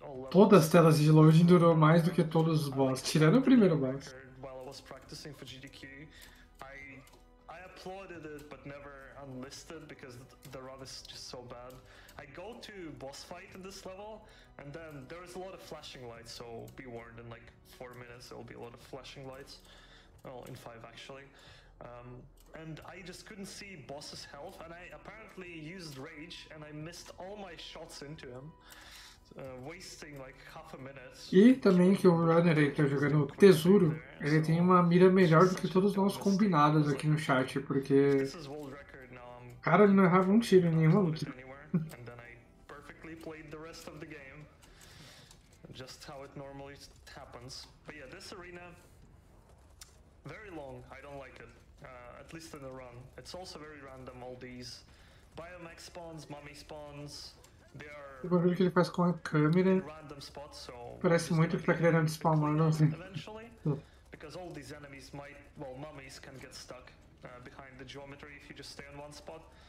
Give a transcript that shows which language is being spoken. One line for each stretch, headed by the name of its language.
Portuguese: Todas as telas de loading durou mais do que todos os boss, tirando o primeiro boss.
English: While I was practicing for GDQ, I applauded it, but never unlisted because the run is just so bad. I go to boss fight in this level, and then there is a lot of flashing lights, so be warned, in like 4 minutes there will be a lot of flashing lights. Well, in 5 actually. And I just couldn't see boss's health, and I apparently used rage, and I missed all my shots into him. Wasting like half a minute.
Portuguese: E também que o runner aí tá jogando tesouro, ele tem uma mira melhor do que todos nós combinados aqui no chat, porque... Cara, ele não errava tiro em nenhuma luta.
English: And then I perfectly played the rest of the game. Just how it normally happens. But yeah, this arena... Very long, I don't like it. At least in the run. It's also very random, all these biomech spawns, mummy spawns.
Portuguese: Eu vou ver o que ele faz com a câmera. Parece muito que tá querendo despawnando assim.
English: Because all these enemies might, well, mummies can get stuck behind the geometry if you just stay in one spot.